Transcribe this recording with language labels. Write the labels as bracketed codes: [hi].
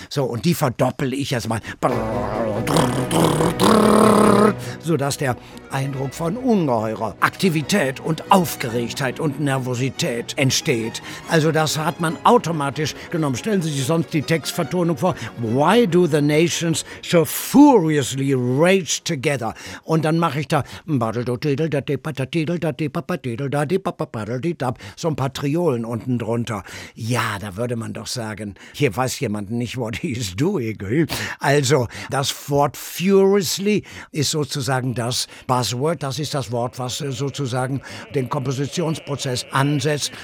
[de] So, und die verdoppel ich jetzt mal. Sodass der Eindruck von ungeheurer Aktivität und Aufgeregtheit und Nervosität entsteht. Also das hat man automatisch genommen. Stellen Sie sich sonst die Textvertonung vor. [en] Why do the nations so furiously rage together? [de] Und dann mache ich da so ein paar Triolen unten drunter. Ja, da würde man doch sagen, hier weiß jemand nicht, [en] what he is doing. [de] Also, das Wort furiously ist sozusagen das Buzzword, das ist das Wort, was sozusagen den Kompositionsprozess ansetzt.